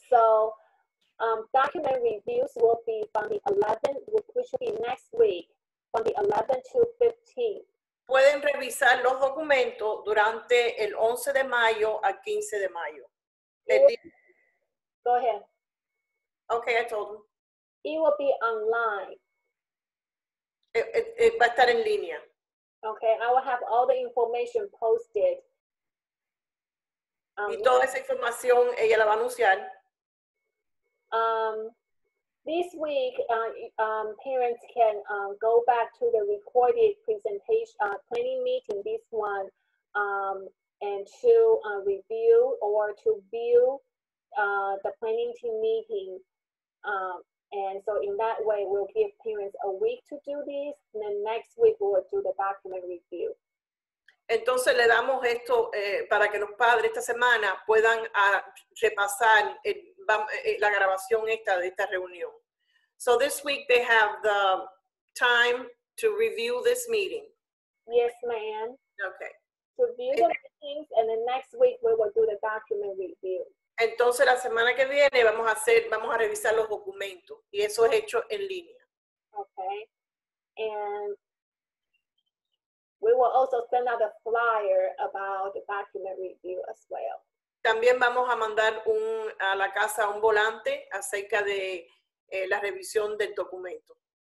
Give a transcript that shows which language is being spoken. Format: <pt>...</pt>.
<en>So the document reviews will be from the 11th, which will be next week, from the 11th to 15th.</en> <es>Pueden revisar los documentos durante el 11 de mayo al 15 de mayo.</es> <en>Go ahead. Okay, I told them. It will be online.</en> <es>It va a estar en línea.</es> <en>Okay, I will have all the information posted.</en> <es>Y toda esa información ella la va a anunciar.</es> <en>This week, parents can go back to the recorded presentation. planning meeting, this one, and to review or to view the planning team meeting. And so in that way, we'll give parents a week to do this, and then next week we'll do the document review.</en> <es>Entonces le damos esto para que los padres esta semana puedan repasar la grabación esta de esta reunión.</es> <en>So this week they have the time to review this meeting. Yes, ma'am. Okay. To view the meetings, and then next week we will do the document review.</en> <es>Entonces la semana que viene vamos a revisar los documentos y eso es hecho en línea. Okay.</es> <en>And we will also send out a flyer about the document review as well.</en> <es>También vamos a mandar a la casa un volante acerca de la revisión del documento.</es>